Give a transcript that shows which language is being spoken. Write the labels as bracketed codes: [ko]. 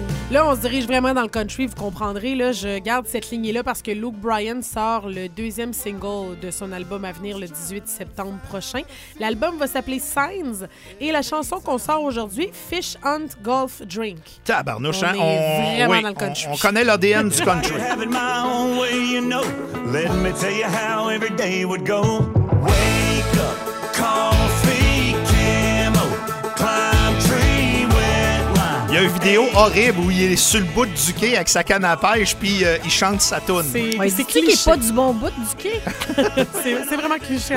[fr] Là, on se dirige vraiment dans le country, vous comprendrez. Là, je garde cette lignée-là parce que Luke Bryan sort le deuxième single de son album à venir le 18 septembre prochain. L'album va s'appeler Signs et la chanson qu'on sort aujourd'hui, Fish Hunt Golf Drink. Tabarnouche, hein? On est vraiment dans le country. On connaît l'ADN du country. [en] Let me tell you how every day would go. Wake up, coffee, camo, climb tree, wet line. [fr] Il y a une vidéo horrible où il est sur le bout du quai avec sa canne à pêche, puis il chante sa toune. C'est qui n'est pas du bon bout du quai? c'est vraiment cliché.